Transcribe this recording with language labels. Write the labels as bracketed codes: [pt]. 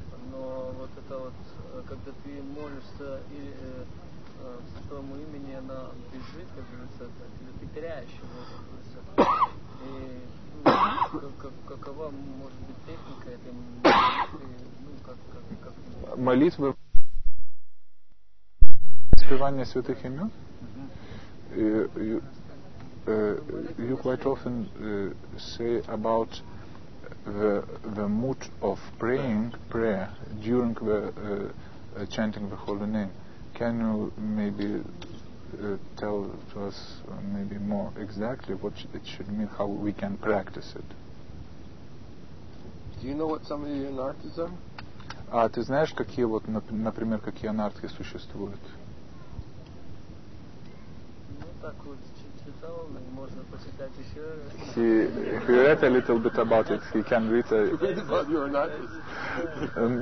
[ru] Но вот это вот, когда ты молишься и святому имени, она бежит, как говорится, или ты теряешь его, как говорится. И какова может быть техника этой молитвы? Ну, как молитвы воспевания святых имен? [en] you quite often say about the mood of praying prayer during the chanting the holy name. Can you maybe tell to us maybe more exactly what it should mean, how we can practice it? Do you know what some of the anarthas are? [ru] А ты знаешь, какие вот, например, какие анартхи существуют? Ну, так вот, читал, можно почитать еще. [en] He read a little bit about it. He can read, read about your anarthas.